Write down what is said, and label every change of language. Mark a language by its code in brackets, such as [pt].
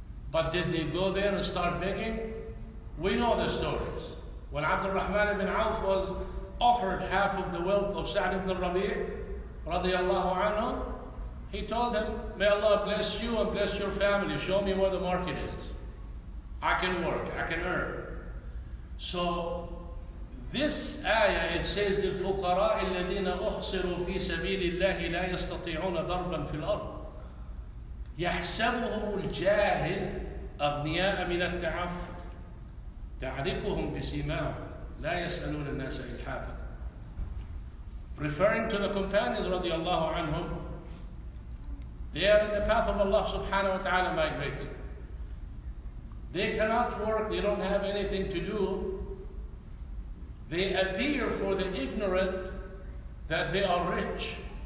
[en] But did they go there and start begging? We know the stories. When Abdul Rahman ibn Auf was offered half of the wealth of Sa'd ibn Rabi' radiallahu anhu, he told him, may Allah bless you and bless your family. Show me where the market is. I can work, I can earn. So this ayah, it says, [ar] لِلْفُقَرَاءِ الَّذِينَ أُحْصِرُوا فِي سَبِيلِ اللَّهِ لَا يَسْتَطِيعُونَ ضَرْبًا فِي الْأَرْضِ يَحْسَبُهُمُ الْجَاهِلُ أَغْنِيَاءَ مِنَ التَّعَفُّفِ تَعْرِفُهُمْ بِسِيمَاهُمْ لَا يَسْأَلُونَ النَّاسَ إِلْحَافًا. [en] Referring to the companions radiallahu anhum, they are in the path of Allah subhanahu wa ta'ala migrating. They cannot work, they don't have anything to do. They appear for the ignorant that they are rich.